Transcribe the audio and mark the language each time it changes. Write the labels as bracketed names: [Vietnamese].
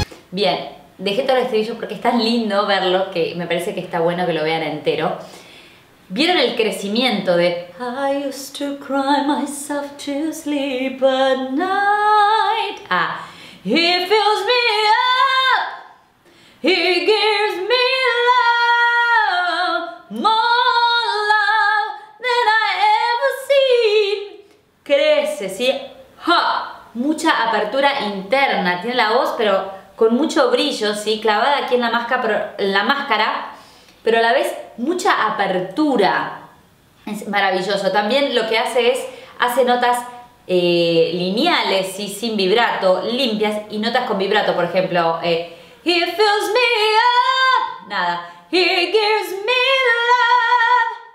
[Spanish] Bien, dejé todo el estribillo porque es tan lindo verlo que me parece que está bueno que lo vean entero. ¿Vieron el crecimiento de [English] I used to cry myself to sleep at night? Ah, it fills me up, it gives me love, more love than I ever seen. [Spanish] Crece, ¿sí? ¡Ja! Mucha apertura interna, tiene la voz, pero con mucho brillo, ¿sí? Clavada aquí en la máscara, pero a la vez mucha apertura. Es maravilloso. También lo que hace es, hace notas lineales y sin vibrato, limpias, y notas con vibrato, por ejemplo, [English] He fills me up, [Spanish] nada, [English] He gives me love.